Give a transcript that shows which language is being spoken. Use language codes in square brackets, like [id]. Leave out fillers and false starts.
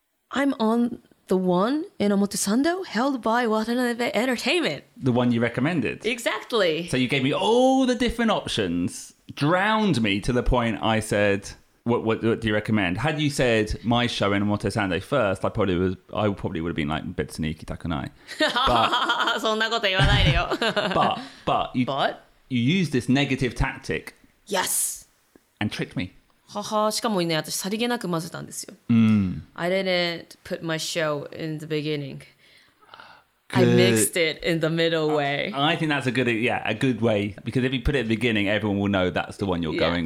[en] I'm on the one in Omotesando held by Watanabe Entertainment. The one you recommended. Exactly. So you gave me all the different options. Drowned me to the point I said, what do you recommend? Had you said my show in Omotesando first, I probably would have been like, [ja] Betsu ni ikitakunai. そんなこと言わないでよ。 [en] But you used this negative tactic. Yes. And tricked me. [ja] ははしかもね、私さりげなく混ぜたんですよ。 [en] I didn't put my show in the beginning. Good. I mixed it in the middle way. I think that's a good way. Because if you put it at the beginning, everyone will know that's the one you're going